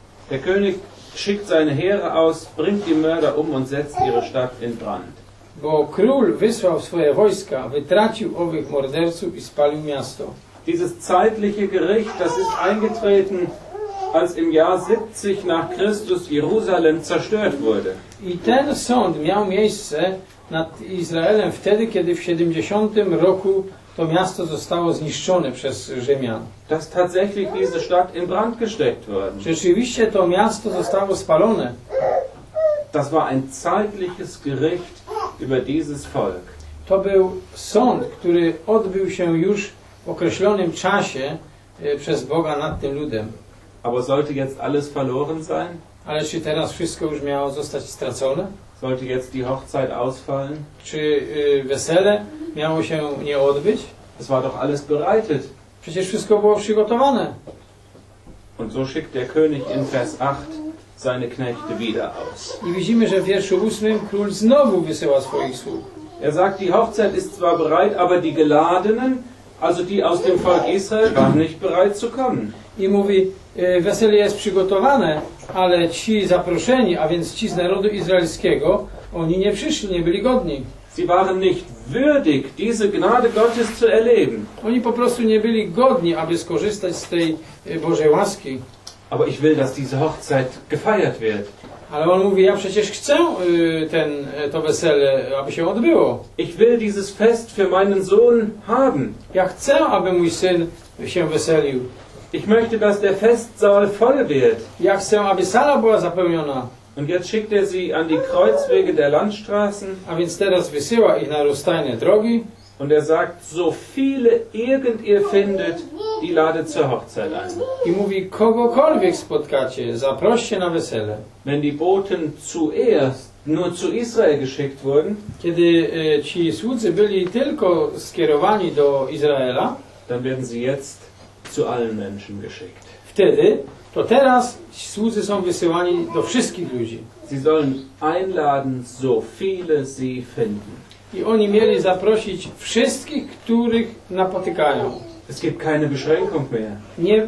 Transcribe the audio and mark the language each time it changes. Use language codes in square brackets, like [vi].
[de] Der König schickt seine Heere aus, bringt die Mörder um und setzt ihre Stadt in Brand. [pl] Bo król wysłał swoje wojska, wytracił owych morderców i spalił miasto. [de] Dieses zeitliche Gericht, das ist eingetreten, als im Jahr 70 nach Christus Jerusalem zerstört wurde. [pl] I ten sąd miał miejsce nad Izraelem wtedy, kiedy w 70 roku to miasto zostało zniszczone przez Rzymian. [de] Dass tatsächlich diese Stadt in Brand gesteckt wurde. [pl] Rzeczywiście to miasto zostało spalone. [de] Das war ein zeitliches Gericht über dieses Volk. [pl] To był sąd, który odbył się już w określonym czasie przez Boga nad tym ludem. [de] Aber sollte jetzt alles verloren sein? [pl] Ale czy teraz wszystko już miało zostać stracone? [de] Sollte jetzt die Hochzeit ausfallen? [pl] Czy wesele miało się nie odbyć? [de] Es war doch alles bereitet. [pl] Przecież wszystko było przygotowane. [de] Und so schickt der König in Vers 8 seine Knechte wieder aus. [pl] I widzimy, że w wierszu 8 król znowu wysyła swoich sług. [de] Er sagt, die Hochzeit ist zwar bereit, aber die Geladenen, also die aus dem Volk Israel, waren nicht bereit zu kommen. [pl] I mówi, wesele jest przygotowane, ale ci zaproszeni, a więc ci z narodu izraelskiego, oni nie przyszli, nie byli godni. [de] Sie waren nicht würdig, diese Gnade Gottes zu erleben. [pl] Oni po prostu nie byli godni, aby skorzystać z tej Bożej łaski. [de] Aber ich will, dass diese Hochzeit gefeiert wird. [pl] Ale on mówi, ja przecież chcę to wesele, aby się odbyło. [de] Ich will dieses Fest für meinen Sohn haben. [pl] Ja chcę, aby mój syn się weselił. [de] Ich möchte, dass der Festsaal voll wird. [pl] Ja chcę, aby sala była zapełniona. [de] Und jetzt schickt er sie an die Kreuzwege der Landstraßen. [pl] A więc teraz wysyła ich na rozstajne drogi. [de] Und er sagt, so viele irgend ihr findet, die ladet zur Hochzeit ein. [pl] I mówi, kogokolwiek spotkacie, zaproście na wesele. [de] Wenn die Boten zuerst nur zu Israel geschickt wurden, [pl] kiedy ci słudzy byli tylko skierowani do Izraela, [de] dann werden sie jetzt zu allen Menschen geschickt. [pl] Wtedy, to teraz ci słudzy są wysyłani do wszystkich ludzi. [de] Sie sollen einladen, so viele sie finden. [pl] I oni mieli zaprosić wszystkich, których napotykają. [de] Es gibt keine Beschränkung mehr.